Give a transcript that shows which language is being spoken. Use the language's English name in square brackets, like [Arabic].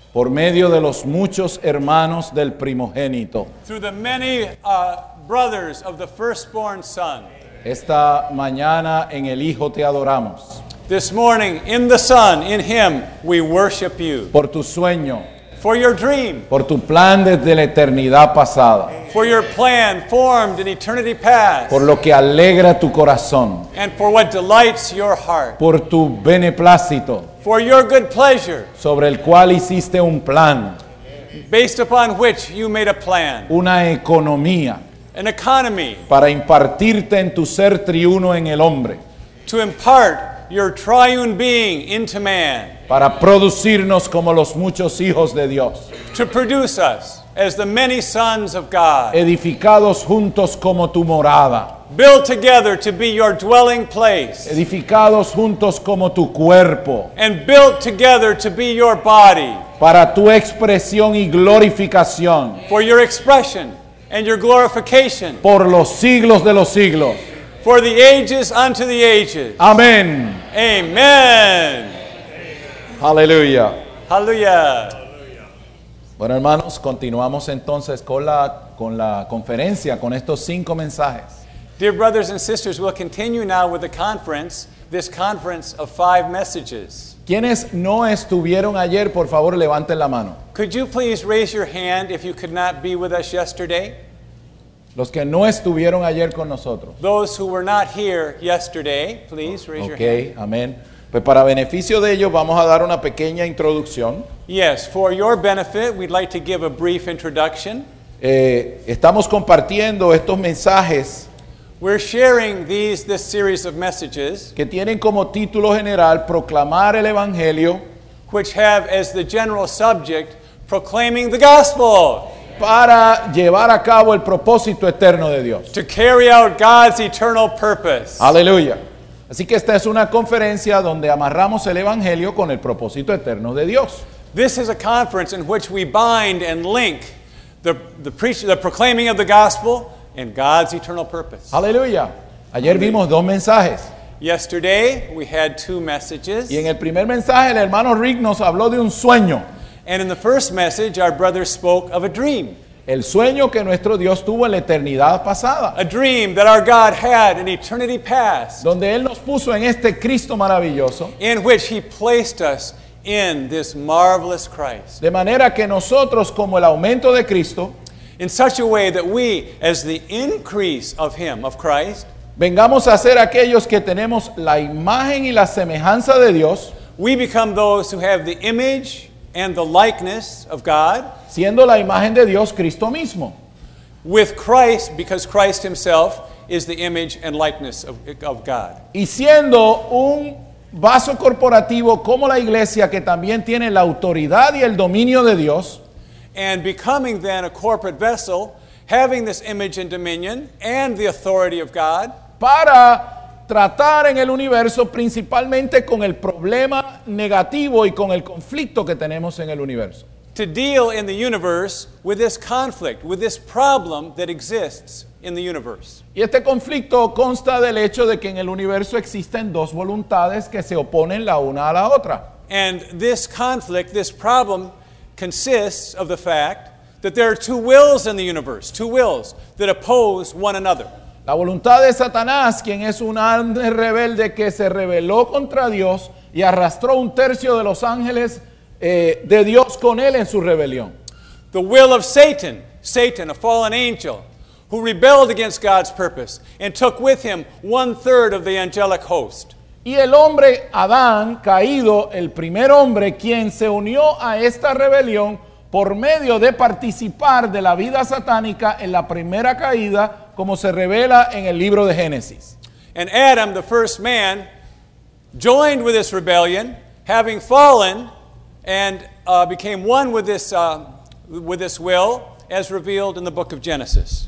[Spanish] Por medio de los muchos hermanos del primogénito. [English] Through the many brothers of the firstborn son. [Spanish] Esta mañana en el Hijo te adoramos. [English] This morning in the Son, in Him, we worship you. [Spanish] Por tu sueño. [English] For your dream. [Spanish] Por tu plan desde la eternidad pasada. [English] For your plan formed in eternity past. [Spanish] Por lo que alegra tu corazón. [English] And for what delights your heart. [Spanish] Por tu beneplácito. [English] For your good pleasure. [Spanish] Sobre el cual hiciste un plan. [English] Based upon which you made a plan. [Spanish] Una economía. [English] An economy. [Spanish] Para impartirte en tu ser triuno en el hombre. [English] To impart your triune being into man. [Spanish] Para producirnos como los muchos hijos de Dios. [English] To produce us as the many sons of God. [Spanish] Edificados juntos como tu morada. [English] Built together to be your dwelling place. [Spanish] Edificados juntos como tu cuerpo. [English] And built together to be your body. [Spanish] Para tu expresión y glorificación. [English] For your expression and your glorification. [Spanish] Por los siglos de los siglos. [English] For the ages unto the ages. [Spanish] Amén. [English] Amen. [Spanish] Aleluya. [English] Aleluya. [Spanish] Bueno, hermanos, continuamos entonces con la conferencia, con estos cinco mensajes. [English] Dear brothers and sisters, we'll continue now with the conference, this conference of five messages. [Spanish] ¿Quiénes no estuvieron ayer? Por favor, levanten la mano. [English] Could you please raise your hand if you could not be with us yesterday? [Spanish] Los que no estuvieron ayer con nosotros. [English] Those who were not here yesterday, please raise okay, your hand. [Spanish] Okay, amén. Pues para beneficio de ellos vamos a dar una pequeña introducción. [English] Yes, for your benefit, we'd like to give a brief introduction. [Spanish] Estamos compartiendo estos mensajes. [English] We're sharing this series of messages. [Spanish] Que tienen como título general proclamar el evangelio. [English] Which have as the general subject proclaiming the gospel. [Spanish] Para llevar a cabo el propósito eterno de Dios. [English] To carry out God's eternal purpose. [Spanish] Aleluya. Así que esta es una conferencia donde amarramos el evangelio con el propósito eterno de Dios. [English] This is a conference in which we bind and link the proclaiming of the gospel and God's eternal purpose. [Spanish] Aleluya. Ayer vimos dos mensajes. [English] Yesterday we had two messages. [Spanish] Y en el primer mensaje el hermano Rick nos habló de un sueño. [English] And in the first message our brother spoke of a dream. [Spanish] El sueño que nuestro Dios tuvo en la eternidad pasada. [English] A dream that our God had in eternity past. [Spanish] Donde Él nos puso en este Cristo maravilloso. [English] In which He placed us in this marvelous Christ. [Spanish] De manera que nosotros como el aumento de Cristo. [English] In such a way that we as the increase of Him, of Christ. [Spanish] Vengamos a ser aquellos que tenemos la imagen y la semejanza de Dios. [English] We become those who have the image and the likeness of God. [Spanish] Siendo la imagen de Dios, Cristo mismo. [English] With Christ, because Christ himself is the image and likeness of God. [Spanish] Y siendo un vaso corporativo como la iglesia que también tiene la autoridad y el dominio de Dios. [English] And becoming then a corporate vessel, having this image and dominion and the authority of God. [Spanish] Para tratar en el universo principalmente con el problema negativo y con el conflicto que tenemos en el universo. [English] To deal in the universe with this conflict, with this problem that exists in the universe. [Spanish] Y este conflicto consta del hecho de que en el universo existen dos voluntades que se oponen la una a la otra. [English] And this conflict, this problem, consists of the fact that there are two wills in the universe, two wills that oppose one another. [Spanish] La voluntad de Satanás, quien es un ángel rebelde que se rebeló contra Dios y arrastró un tercio de los ángeles de Dios con él en su rebelión. [English] The will of Satan, a fallen angel, who rebelled against God's purpose and took with him one third of the angelic host. [Spanish] Y el hombre Adán, caído, el primer hombre, quien se unió a esta rebelión por medio de participar de la vida satánica en la primera caída, como se revela en el libro de Génesis. [English] And Adam, the first man, joined with this rebellion, having fallen, and became one with this will, as revealed in the book of Genesis.